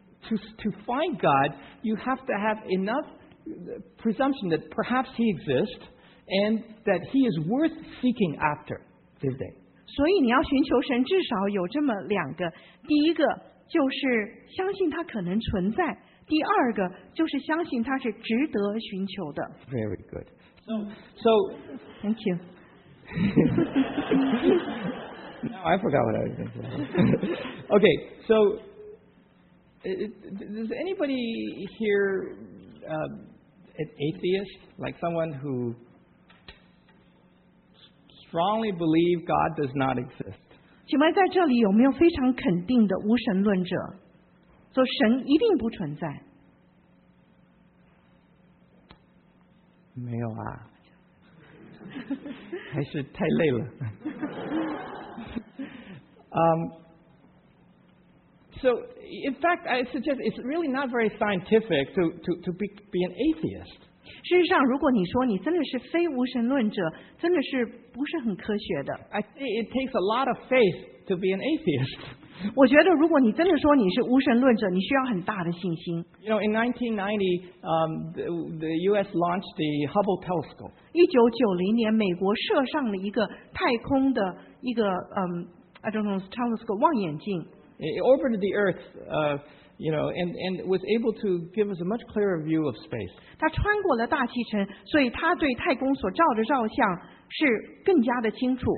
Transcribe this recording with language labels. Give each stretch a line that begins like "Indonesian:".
English: To find God, you have to have enough presumption that perhaps he exists and that he is worth seeking after, didn't they?
Chinese: 所以你要寻求神，至少有这么两个，第一个。就是相信他可能存在。第二个就是相信他是值得寻求的。
English: Very good. So, thank you. No, I forgot what I was going to say. Okay, so does anybody here an atheist, like someone who strongly believe God does not exist?
Chinese: 请问在这里有没有非常肯定的无神论者？说神一定不存在？没有啊，还是太累了。
English: So in fact, I suggest it's really not very scientific to be an atheist.
Chinese: 事实上，如果你说你真的是非无神论者，真的是不是很科学的。
English: I think it takes a lot of faith. To be an atheist.
Chinese: 我觉得如果你真的说你是无神论者，你需要很大的信心。
English: You know, in 1990, the U.S. launched the Hubble telescope.
Chinese: 1990年，美国射上了一个太空的一个
English: I don't know telescope
Chinese: 望远镜。
English: It orbited the Earth, you know, and was able to give us a much clearer view of space.
Chinese: 它穿过了大气层，所以它对太空所照的照相是更加的清楚。